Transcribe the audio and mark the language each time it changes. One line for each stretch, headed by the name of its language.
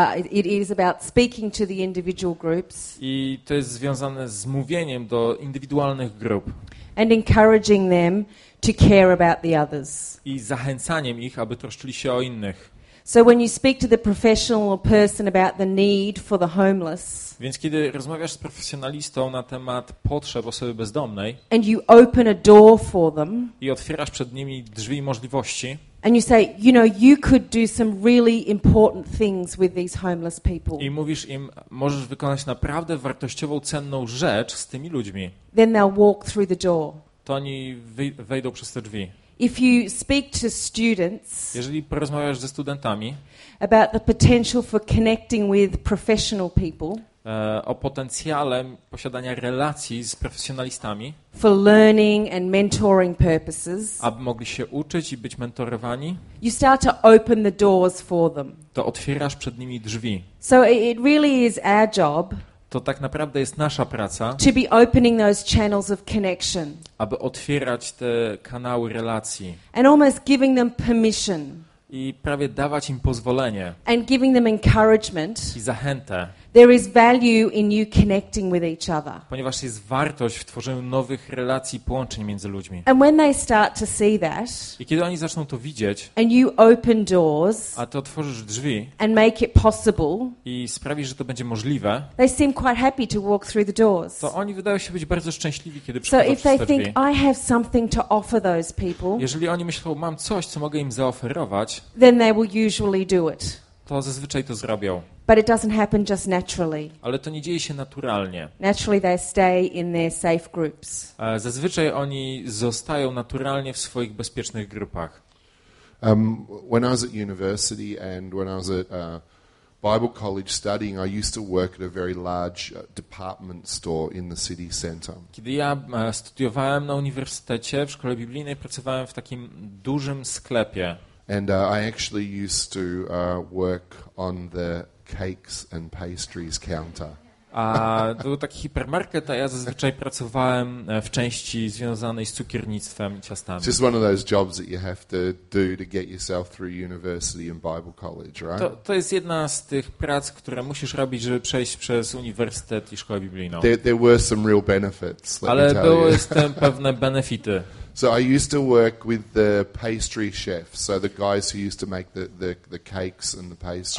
English: It is about speaking to the individual groups.
Polish: I to jest związane z mówieniem do indywidualnych grup.
English: And encouraging them to care about the others.
Polish: I zachęcaniem ich, aby troszczyli się o innych.
English: So when you speak to the professional person about the need for the homeless.
Polish: Więc kiedy rozmawiasz z profesjonalistą na temat potrzeb osoby bezdomnej.
English: And you open a door for them.
Polish: I otwierasz przed nimi drzwi i możliwości.
English: And you say, you know, you could do some really important things with these homeless people.
Polish: I mówisz im, możesz wykonać naprawdę wartościową, cenną rzecz z tymi ludźmi.
English: Then they'll walk through the door.
Polish: To oni wejdą przez te drzwi.
English: If you speak to students,
Polish: jeżeli porozmawiasz ze studentami,
English: about the potential for connecting with professional people,
Polish: o potencjale posiadania relacji z profesjonalistami,
English: for learning and mentoring purposes,
Polish: aby mogli się uczyć i być mentorowani,
English: you start to open the doors for them.
Polish: To otwierasz przed nimi drzwi.
English: So it really is our job.
Polish: To tak naprawdę jest nasza praca,
English: to be opening those channels of connection,
Polish: aby otwierać te kanały relacji,
English: and almost giving them permission,
Polish: i prawie dawać im pozwolenie,
English: and giving them encouragement,
Polish: i zachętę.
English: There is value in you connecting with each other.
Polish: Ponieważ jest wartość w tworzeniu nowych relacji, połączeń między ludźmi.
English: And when they start to see that,
Polish: i kiedy oni zaczną to widzieć,
English: and you open doors,
Polish: a ty otworzysz drzwi,
English: and make it possible,
Polish: i sprawisz, że to będzie możliwe,
English: they seem quite happy to walk through the doors.
Polish: To oni wydają się być bardzo szczęśliwi, kiedy przychodzą przez te drzwi.
English: So if they think I have something to offer those people,
Polish: jeżeli oni myślą, mam coś, co mogę im zaoferować,
English: then they will usually do it.
Polish: To zazwyczaj to zrobią.
English: But it doesn't happen just naturally.
Polish: Ale to nie dzieje się naturalnie.
English: Naturally they stay in their safe groups.
Polish: Zazwyczaj oni zostają naturalnie w swoich bezpiecznych grupach.
English: When I was at university and when I was at Bible college studying, I used to work at a very large department store in the city center.
Polish: Kiedy ja studiowałem na uniwersytecie, w szkole biblijnej, pracowałem w takim dużym sklepie.
English: And I actually used to work on the cakes and pastries counter.
Polish: A to był taki hipermarket, a ja zazwyczaj pracowałem w części związanej z cukiernictwem i ciastami.
English: It's just one of those jobs that you have to do to get yourself through university and Bible college, right?
Polish: To jest jedna z tych prac, które musisz robić, żeby przejść przez uniwersytet i szkołę biblijną.
English: There were some real benefits.
Polish: Ale były z tym pewne benefity.
English: So I used to work with the pastry chefs, so the guys who used to make the cakes and the pastries.